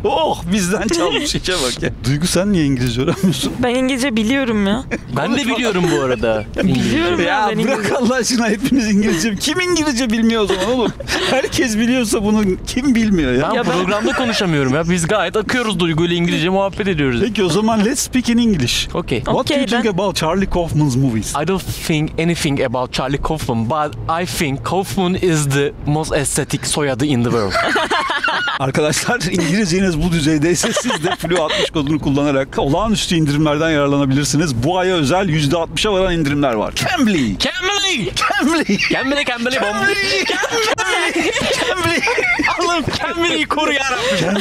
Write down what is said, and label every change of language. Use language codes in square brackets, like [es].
[tr] Oh bizden çalmış. İşe bak ya. Duygu sen niye İngilizce öğrenmiyorsun? Ben İngilizce biliyorum ya. Ben de biliyorum bu arada. Biliyorum ya. Ya ben bırak İngilizce. Allah aşkına hepimiz İngilizce. Kim İngilizce bilmiyor o zaman oğlum? Herkes biliyorsa bunu kim bilmiyor ya? Ben ya programda ben... konuşamıyorum ya. Biz gayet akıyoruz Duygu ile İngilizce muhabbet ediyoruz. Peki o zaman [en] let's speak in English. Okay. What do you think about Charlie Kaufman's movies? I don't think anything about Charlie Kaufman, but I think Kaufman is the most aesthetic soyadı in the world. [tr] Arkadaşlar İngilizceniz bu düzeydeyse siz de Flu 60 kodunu kullanarak olağanüstü indirimlerden yararlanabilirsiniz. Bu aya özel %60'a varan indirimler var. Cambly! Cambly! Cambly! Cambly! Cambly! Cambly! Cambly! Oğlum Cambly'yi koru yarabbim.